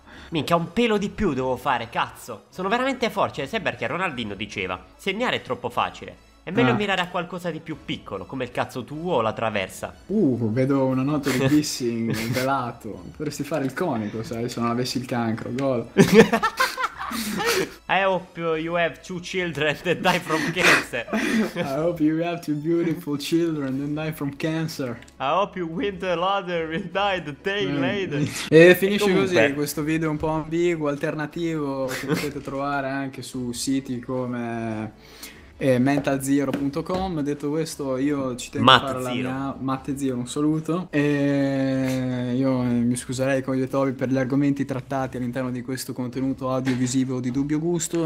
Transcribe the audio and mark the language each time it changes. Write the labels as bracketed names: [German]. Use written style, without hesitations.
[Italian] Minchia, un pelo di più devo fare, cazzo. Sono veramente forte, sai perché Ronaldinho diceva: segnare è troppo facile, è meglio mirare a qualcosa di più piccolo, come il cazzo tuo o la traversa. Vedo una nota di dissing velato. Potresti fare il conico, sai, se non avessi il cancro, gol. [English] I hope you have two children that die from cancer. I hope you have two beautiful children that die from cancer. I hope you win the lottery and die the day later. [Italian] E finisce comunque così questo video un po' ambiguo, alternativo, che potete trovare anche su siti come mentalzero.com. Detto questo, io ci tengo Matt a fare Zero. La mia Matte Zero, un saluto. E io mi scuserei con gli Etobi per gli argomenti trattati all'interno di questo contenuto audiovisivo di dubbio gusto.